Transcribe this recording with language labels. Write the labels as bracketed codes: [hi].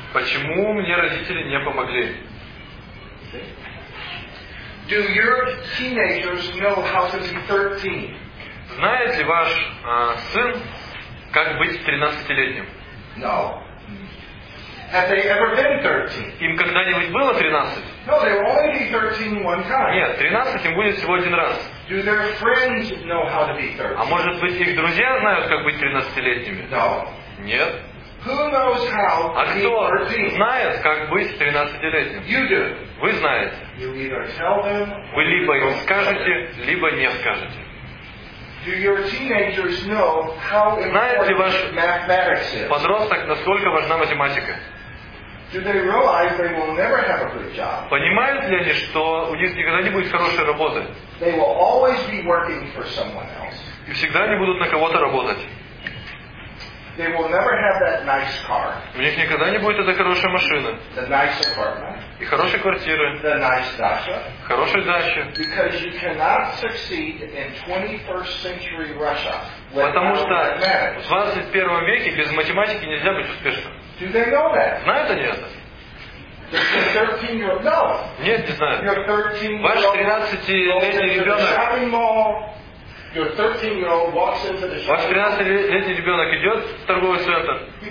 [ru] Почему мне родители не помогли? [en] Do your teenagers know how to be 13? [ru] Знает ли ваш сын, как быть 13-летним? [en] No. Have they ever been 13? [ru] Им когда-нибудь было 13? [en] No, they will only be 13 one time. [ru] Нет, 13 им будет всего один раз. [en] Do their friends know how to be 13? [ru] А может быть, их друзья знают, как быть 13-летними? [en] No. [ru] Нет. [en] Who knows how to be 13? [ru] А кто знает, как быть 13-летним? [en] You do. [ru] Вы знаете. [en] You either tell them. [ru] Вы либо им скажете, либо не скажете. [en] Do your teenagers know how important mathematics is? [ru] Подросток, насколько важна математика? Понимают ли они, что у них никогда не будет хорошей работы? [en] They will always be working for someone else. [ru] И всегда они будут на кого-то работать. [en] They will never have that nice car. [ru] У них никогда не будет этой хорошей машины. [en] The nice apartment. [ru] И хорошей квартиры. [en] The nice dacha. [ru] Хорошей дачи. [en] Because you cannot succeed in 21st century Russia. [ru] Потому что в 21 веке без математики нельзя быть успешным. [en] Do they know that? [ru] Знают они это? [en] No. [ru] Нет, не знаю. [en] Your 13-year-old [ru] ваш 13-летний ребенок. Ваш 13-летний ребенок идет в торговый центр.